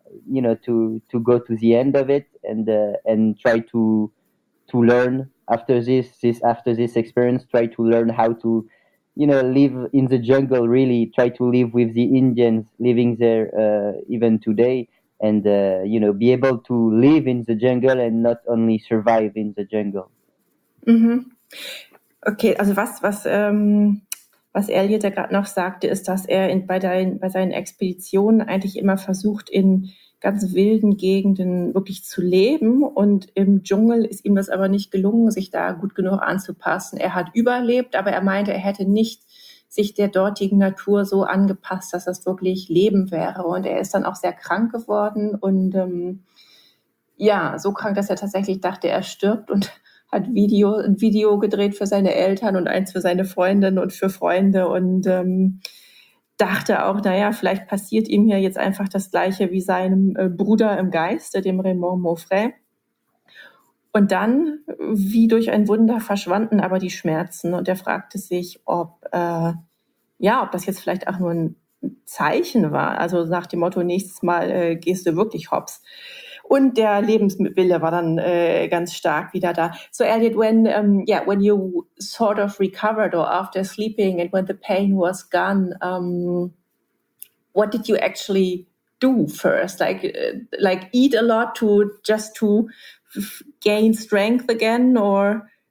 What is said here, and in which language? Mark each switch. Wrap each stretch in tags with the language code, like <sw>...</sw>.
<en>you know, to go to the end of it, and try to learn after this experience, try to learn how to, you know, live in the jungle, really try to live with the Indians living there even today. And, you know, be able to live in the jungle and not only survive in the jungle. Mm-hmm.</en> <de>Okay, also was Elliot da gerade noch sagte, ist, dass er bei seinen Expeditionen eigentlich immer versucht, in ganz wilden Gegenden wirklich zu leben. Und im Dschungel ist ihm das aber nicht gelungen, sich da gut genug anzupassen. Er hat überlebt, aber er meinte, er hätte nicht sich der dortigen Natur so angepasst, dass das wirklich Leben wäre. Und er ist dann auch sehr krank geworden und ja, so krank, dass er tatsächlich dachte, er stirbt, und hat ein Video gedreht für seine Eltern und eins für seine Freundinnen und für Freunde und dachte auch, naja, vielleicht passiert ihm hier jetzt einfach das Gleiche wie seinem Bruder im Geiste, dem Raymond Moffré. Und dann, wie durch ein Wunder, verschwanden aber die Schmerzen, und er fragte sich, ob das jetzt vielleicht auch nur ein Zeichen war, also nach dem Motto, nächstes Mal gehst du wirklich hops. Und der Lebenswille war dann ganz stark wieder da.</de> <en>So Elliot, when you sort of recovered or after sleeping and when the pain was gone, what did you actually do first? Like eat a lot to gain strength again, or?</en>